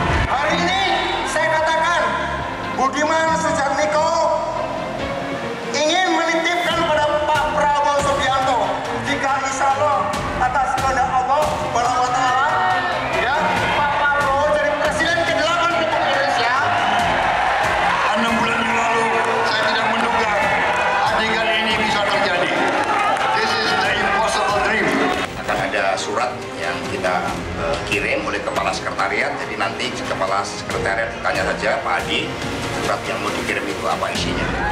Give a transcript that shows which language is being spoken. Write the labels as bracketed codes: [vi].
[id] Hari ini saya katakan, Budiman Sujatmiko ingin menitipkan kepada Pak Prabowo Subianto, jika insya Allah atas kehendak Allah Subhanahu wa Ta'ala, ya, Pak Prabowo jadi presiden ke-8 Republik Indonesia. 6 bulan yang lalu saya tidak menduga adegan ini bisa terjadi. [en] This is the impossible dream. [id] Akan ada surat yang kita kirim oleh Kepala Sekretariat. Jadi nanti Kepala Sekretariat tanya saja Pak Adi, surat yang mau dikirim itu apa isinya.